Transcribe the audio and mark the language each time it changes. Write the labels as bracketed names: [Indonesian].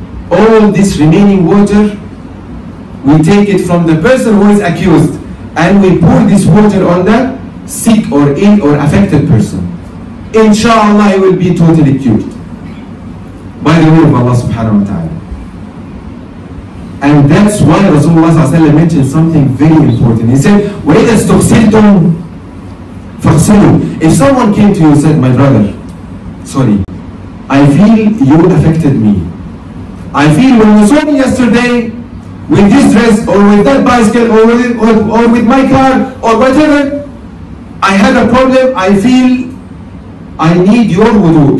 [English] All this remaining water, we take it from the person who is accused and we pour this water on the sick or ill or affected person. Inshallah, he will be totally cured by the will of Allah subhanahu wa ta'ala. And that's why Rasulullah mentioned something very important. He said, [Arabic] وَإِذَا اسْتُغْسِلْتُمْ فَغْسِلُوا. [English] If someone came to you and said, my brother, sorry, I feel you affected me. I feel when you saw me yesterday with this dress or with that bicycle or with my car or whatever, I had a problem, I feel I need your wudu.